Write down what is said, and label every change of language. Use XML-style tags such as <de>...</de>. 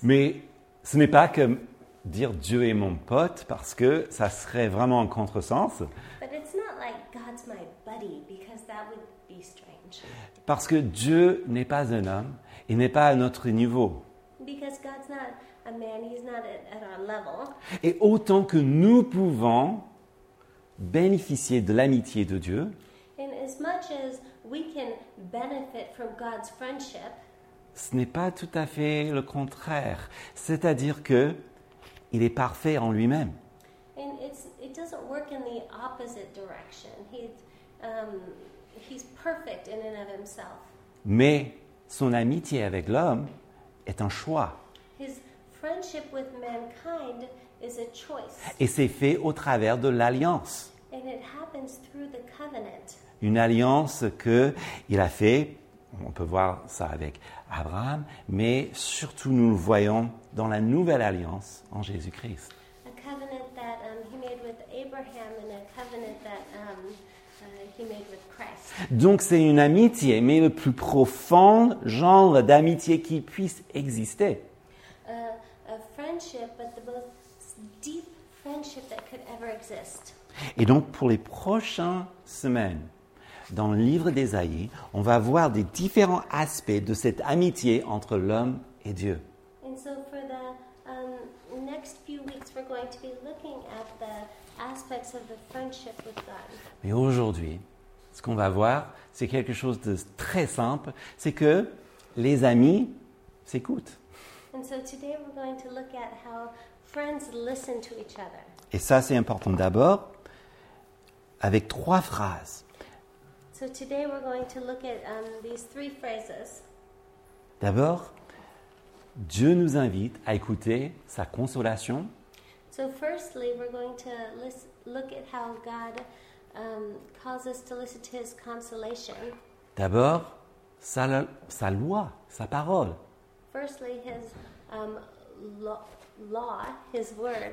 <fr>Mais ce n'est pas que dire Dieu est mon pote, parce que ça serait vraiment en contresens.</fr> <en>But it's not like God's my buddy, because that would be strange.</en> <fr>Parce que Dieu n'est pas un homme, il n'est pas à notre niveau.</fr> <en>Because God's not a man, he's not at our level.</en> <fr>Et autant que nous pouvons bénéficier de l'amitié de Dieu,</fr> <en>and as much as we can benefit from God's friendship,</en> <fr>ce n'est pas tout à fait le contraire. C'est-à-dire que il est parfait en lui-même.</fr> <en>And it doesn't work in the opposite direction. He's perfect in and of himself.</en> <fr>Mais son amitié avec l'homme est un choix.</fr> <en>His friendship with mankind is a choice.</en> <fr>Et c'est fait au travers de l'alliance.</fr> <en>And it happens through the covenant.</en> <fr>Une alliance qu'il a fait, on peut voir ça avec Abraham, mais surtout nous le voyons dans la nouvelle alliance en Jésus-Christ.</fr> <en>A covenant that he made with Abraham and a covenant that he made with Christ.</en> <fr>Donc c'est une amitié, mais le plus profond genre d'amitié qui puisse exister.</fr> <en>A friendship, but the most deep friendship that could ever exist.</en> <fr>Et donc pour les prochaines semaines, dans le livre d'Ésaïe, on va voir des différents aspects de cette amitié entre l'homme et Dieu.</fr> <en>And so for the next few weeks, we're going to be looking at the aspects of the friendship with God.</en> <fr>Mais aujourd'hui, ce qu'on va voir, c'est quelque chose de très simple, c'est que les amis s'écoutent.</fr> <en>And so today we're going to look at how friends listen to each other.</en> <fr>Et ça, c'est important d'abord, avec trois phrases.</fr> <en>So today we're going to look at these three phrases.</en> <fr>D'abord, Dieu nous invite à écouter sa consolation.</fr> <en>So firstly, we're going to look at how God calls us to listen to his consolation.</en> <fr>D'abord, sa loi, sa parole.</fr> <en>Firstly, his law, his word.</en>